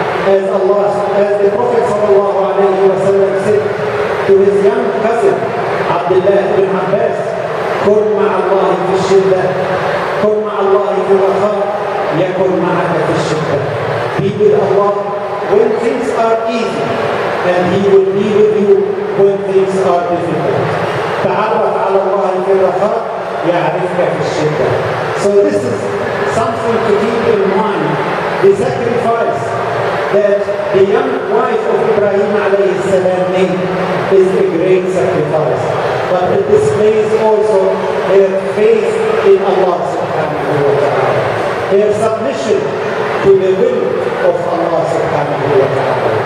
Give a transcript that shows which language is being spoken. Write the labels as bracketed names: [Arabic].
[English] As Allah, as the Prophet sallallahu alayhi wa sallam said to his young cousin, Abdullah ibn Abbas, [Arabic] كُنْ مَعَ اللَّهِ فِي الشِّدَّةِ [English] كُنْ مَعَ اللَّهِ فِي الرَّخَاءِ يَكُنْ مَعَكَ فِي الشِّدَّةِ. Be with Allah when things are easy, and He will be with you when things are difficult. [Arabic] تعرف على الله في الرخاء يعرفك في الشدة. [English] So this is something to keep in mind, the sacrifice that the young wife of Ibrahim [Arabic] عليه السلام [English] made is a great sacrifice. But it displays also her faith in Allah subhanahu wa ta'ala, her submission to the will of Allah subhanahu wa ta'ala.